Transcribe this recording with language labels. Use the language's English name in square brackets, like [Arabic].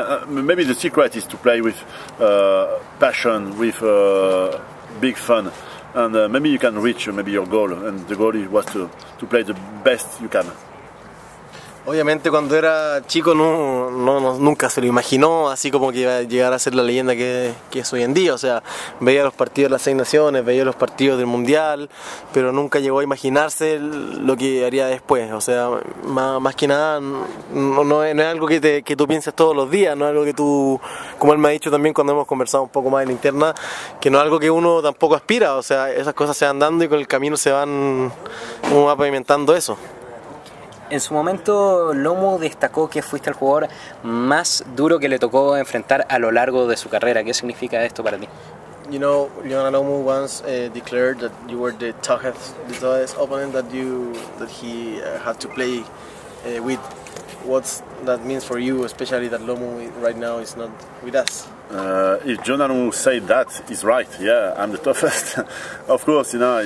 [English] Maybe the secret is to play with passion, with big fun, and maybe you can reach maybe your goal. And the goal was to play the best you can. [Spanish] Obviamente cuando era chico no nunca se lo imaginó así como que iba a llegar a ser la leyenda que es hoy en día. O sea, veía los partidos de las Seis Naciones, veía los partidos del Mundial, pero nunca llegó a imaginarse lo que haría después. O sea, más que nada no es algo que tú pienses todos los días, no es algo que tú, como él me ha dicho también cuando hemos conversado un poco más en interna, que no es algo que uno tampoco aspira. O sea, esas cosas se van dando y con el camino se van, uno va pavimentando eso. En su momento, Lomu destacó que fuiste el jugador más duro que le tocó enfrentar a lo largo de su carrera. ¿Qué significa esto para ti? [English] You know, Lionel Lomu once declared that you were the toughest opponent that he had to play with. What's that means for you, especially that Lomu right now is not with us? If Jonah said that, he's right. Yeah, I'm the toughest. Of course, you know.